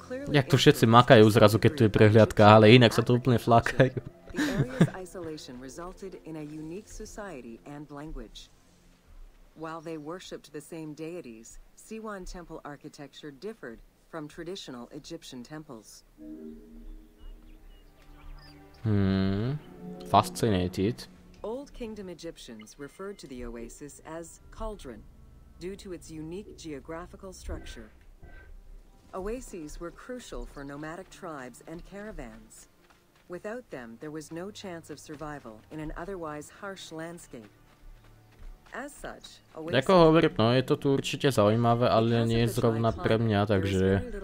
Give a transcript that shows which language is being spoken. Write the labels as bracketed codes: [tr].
[sk] Jak tu všetci makajú zrazu, keď tu je prehliadka, ale inak sa to úplne flákajú. [en] isolation resulted in a unique society and language. While they worshipped the same deities, Siwan temple architecture differed from traditional Egyptian temples. Fascinated. Old Kingdom Egyptians referred to the oasis as Cauldron, due to its unique geographical structure. Oases were crucial for nomadic tribes and caravans. Without them, there was no chance of survival in an otherwise harsh landscape. As such, oasis... [cs] Jako hovorím, no je to tu určitě zajímavé, ale není zrovna pro mě, takže...